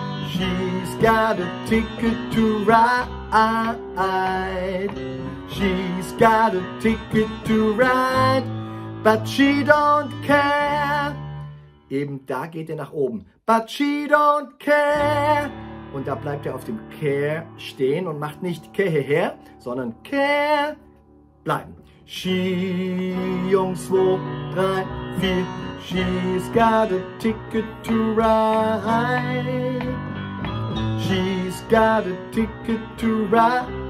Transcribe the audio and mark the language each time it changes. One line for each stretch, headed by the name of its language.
English: She's got a ticket to ride. She's got a ticket to ride, but she don't care.
German: Eben da geht er nach oben.
English: But she don't care.
German: Und da bleibt er auf dem care stehen und macht nicht care her, sondern care bleiben. She, Jungs, wo, drei, vier.
English: She's got a ticket to ride. She's got a ticket to ride.